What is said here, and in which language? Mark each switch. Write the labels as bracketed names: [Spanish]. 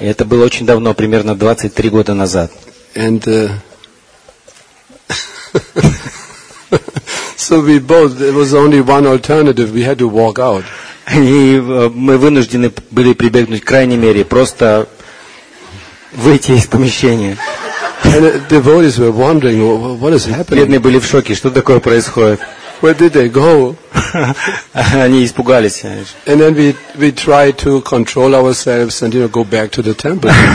[Russian] Это было очень давно, примерно 23 года назад. [English] And So we both, there was only one alternative, we had to walk out. [Russian] И мы вынуждены были прибегнуть к крайней мере, просто выйти из помещения. [English] And the devotees were wondering, what is happening? [Russian] Бедные были в шоке, что такое происходит? [English] Where did they go? [Russian] Они испугались. [English] And then we tried to control ourselves and, you know, go back to the temple.